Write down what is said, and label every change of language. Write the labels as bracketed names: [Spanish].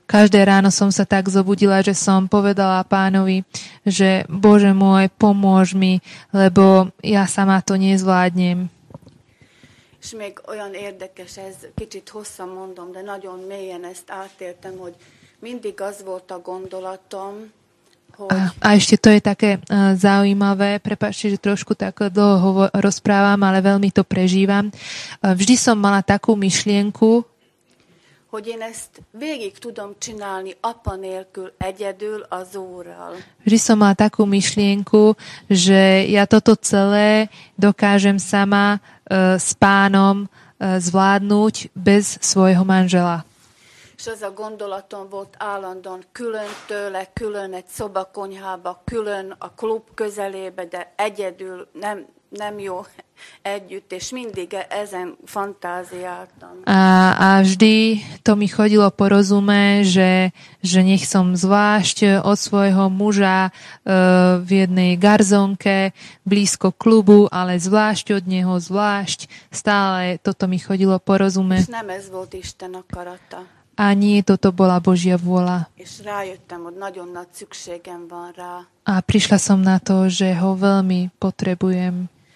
[Slovak] Každé ráno som sa tak zobudila, že som povedala pánovi, že Bože môj, pomôž mi, lebo ja sama to nezvládnem. [Hungarian] És még olyan érdekes, ez kicsit hosszan mondom, de nagyon mélyen ezt átéltem, hogy mindig az volt a gondolatom, [Slovak] A ešte to je také zaujímavé, prepáčte, že trošku tak dlho rozprávam, ale veľmi to prežívam. Vždy som mala takú myšlienku, [Hungarian] hogy én ezt végig tudom csinálni apa nélkül egyedül az Úrral. [Slovak] Vždy som mala takú myšlienku, že ja toto celé dokážem sama s pánom zvládnuť bez svojho manžela. [Hungarian] És az a gondolatom volt állandóan külön tőle, külön egy szobakonyhába, külön a klub közelébe, de egyedül nem jó együtt, és mindig ezen fantáziáltam. [Slovak] A vždy to mi chodilo po rozume, že nech som zvlášť od svojho muža v jednej garzonke, blízko klubu, ale zvlášť od neho, zvlášť, stále toto mi chodilo po rozume. [Hungarian] És nem ez volt Isten akarata. [Slovak] A nie, toto bola Božia vôľa. A prišla som na to, že ho veľmi potrebujem.